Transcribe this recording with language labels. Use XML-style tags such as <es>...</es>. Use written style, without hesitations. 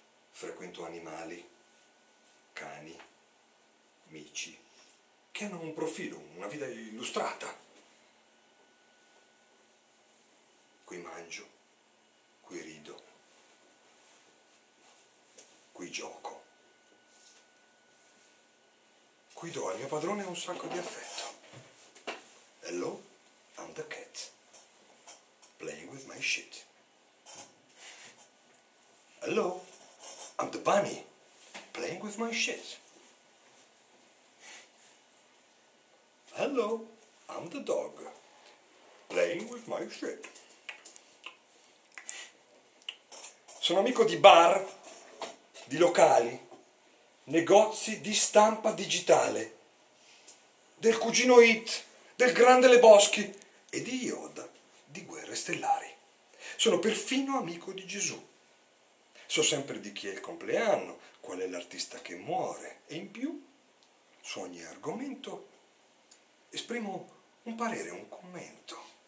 <it>Frequento animali, cani, mici, che hanno un profilo, una vita illustrata. Qui mangio, qui rido, qui gioco. Qui do al mio padrone un sacco di affetto.</it> <en>Hello, I'm the cat, playing with my shit. Hello, I'm the bunny, playing with my shit. Hello, I'm the dog, playing with my shit.</en> <it>Sono amico di bar, di locali, negozi di stampa digitale, del cugino It, del grande Le Boschi e di Yoda di Guerre Stellari. Sono perfino amico di Gesù. So sempre di chi è il compleanno, qual è l'artista che muore e in più, su ogni argomento, esprimo un parere, un commento.</it>